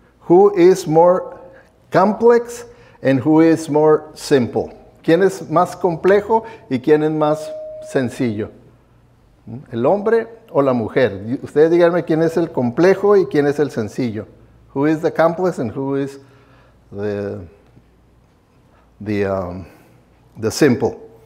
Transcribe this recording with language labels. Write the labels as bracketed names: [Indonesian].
[English] Who is more complex and who is more simple? [Spanish] ¿Quién es más complejo y quién es más sencillo? ¿El hombre o la mujer? Ustedes díganme quién es el complejo y quién es el sencillo. [English] Who is the complex and who is the simple?